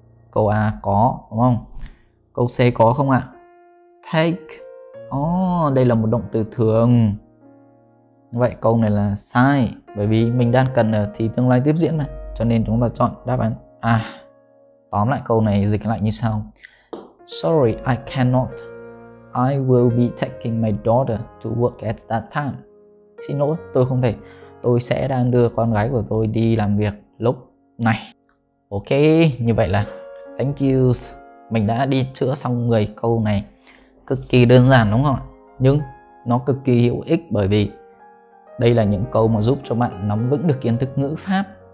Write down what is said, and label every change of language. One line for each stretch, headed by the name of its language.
Vietnamese: Câu A có đúng không? Câu C có không ạ? Take. Đây là một động từ thường. Vậy câu này là sai, bởi vì mình đang cần ở thì tương lai tiếp diễn mà, cho nên chúng ta chọn đáp án A. Tóm lại câu này dịch lại như sau.
English: Sorry, I cannot. I will be taking my daughter to work at that time.
Vietnamese: Xin lỗi, tôi không thể. Tôi sẽ đang đưa con gái của tôi đi làm việc lúc này. Ok, như vậy là
English: thank you.
Vietnamese: Mình đã đi chữa xong 10 câu này. Cực kỳ đơn giản đúng không ạ? Nhưng nó cực kỳ hữu ích bởi vì đây là những câu mà giúp cho bạn nắm vững được kiến thức ngữ pháp.